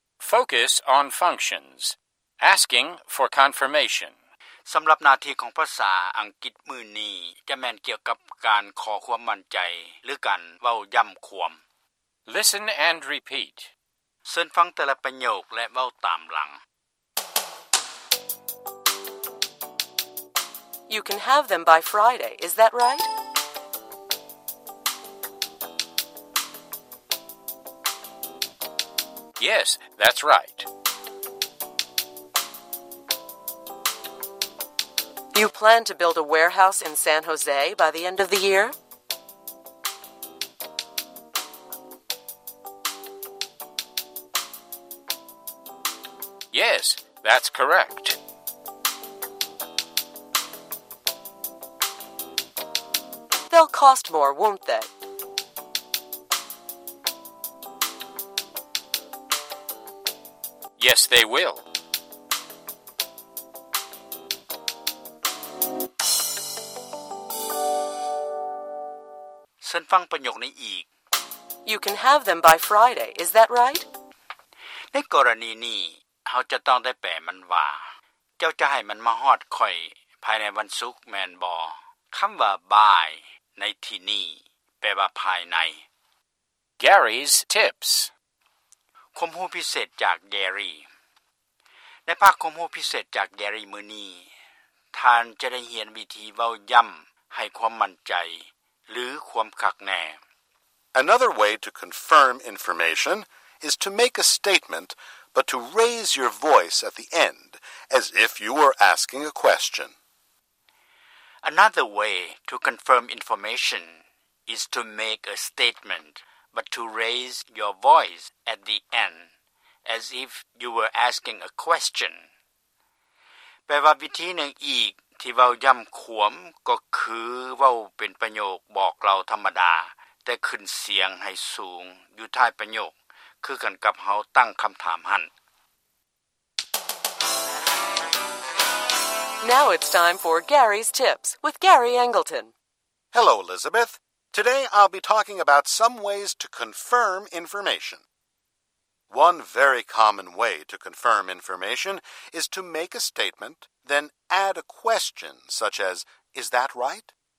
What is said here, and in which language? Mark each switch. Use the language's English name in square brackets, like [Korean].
[English] Focus on functions asking for confirmation [Northeastern Thai] สำหรับหน้าที่ของภาษาอังกฤษมื้อนี้จะแม่นเกี่ยวกับการขอความมั่นใจหรือการเว้าย้ำความ [English] Listen and repeat. [Northeastern Thai] เชิญฟังแต่ละประโยคและเว้าตามหลัง [English] You can have them by Friday, is that right? Yes, that's right. You plan to build a warehouse in San Jose by the end of the year? Yes, that's correct. They'll cost more, won't they? Yes, they will. [Northeastern Thai] ฉันฟังประโยคนี้อีก [English] You can have them by Friday, is that right? [Northeastern Thai] ในกรณีนี้เขาจะต้องได้แปลมันว่าเจ้าจะให้มันมาฮอดข่อยภายในวันศุกร์แมนบอคําว่า by ในที่นี้แปลว่าภายใน [English] Gary's tips [Northeastern Thai] ความรู้พิเศษจาก Gary ในภาคความรู้พิเศษจาก Gary มื้อนี้ท่านจะได้เรียนวิธีเว้าย้ําให้ความมั่นใจหรือความคักแน่ [English] Another way to confirm information is to make a statementBut to raise your voice at the end, as if you were asking a question. Another way to confirm information is to make a statement, but to raise your voice at the end, as if you were asking a question. [Northeastern Thai] แปลว่าวิธีหนึ่งอีกที่เว้าย้ำความก็คือเว้าเป็นประโยคบอกเราธรรมดาแต่ขึ้นเสียงให้สูงอยู่ท้ายประโยคคือกันกับเฮาตั้งคําถามหั่น [English] Now it's time for Gary's Tips with Gary Angleton. Hello Elizabeth. Today I'll be talking about some ways to confirm information. One very common way to confirm information is to make a statement, then add a question such as is that right?